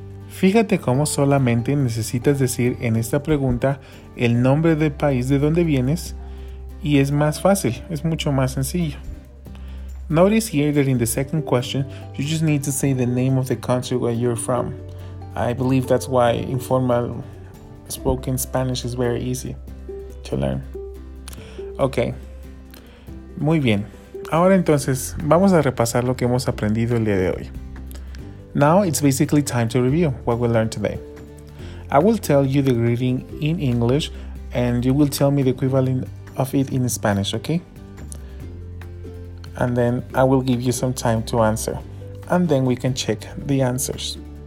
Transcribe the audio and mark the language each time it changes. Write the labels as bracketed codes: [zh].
[es] Fíjate cómo solamente necesitas decir en esta pregunta el nombre del país de donde vienes y es más fácil, es mucho más sencillo. [en] Notice here that in the second question, you just need to say the name of the country where you're from. I believe that's why informal spoken Spanish is very easy to learn. [es] Okay, muy bien. Ahora entonces, vamos a repasar lo que hemos aprendido el día de hoy. [en] Now it's basically time to review what we learned today. I will tell you the greeting in English and you will tell me the equivalent of it in Spanish, okay? And then I will give you some time to answer. And then we can check the answers.